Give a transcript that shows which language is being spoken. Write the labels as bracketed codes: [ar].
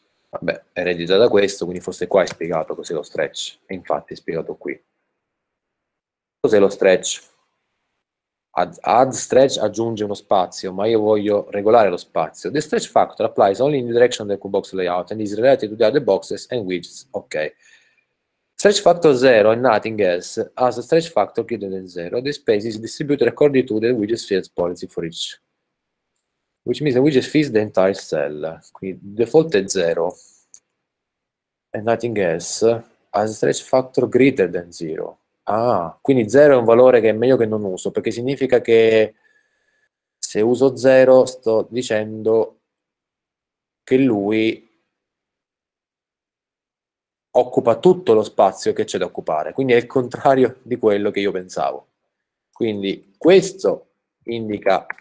[it] Vabbè, è ereditato da questo, quindi forse qua è spiegato cos'è lo stretch. E infatti è spiegato qui. Cos'è lo stretch? Add stretch aggiunge uno spazio, ma io voglio regolare lo spazio. [en] The stretch factor applies only in the direction of the Qbox layout and is related to the other boxes and widgets. Ok. Stretch factor 0 and nothing else has a stretch factor greater than 0. The space is distributed according to the widget fields policy for each. Which means that we just fix the entire cell. [it] Quindi default è 0. [en] And nothing else has a stretch factor greater than 0. [it] Ah, quindi 0 è un valore che è meglio che non uso, perché significa che se uso 0 sto dicendo che lui occupa tutto lo spazio che c'è da occupare. Quindi è il contrario di quello che io pensavo. Quindi questo indica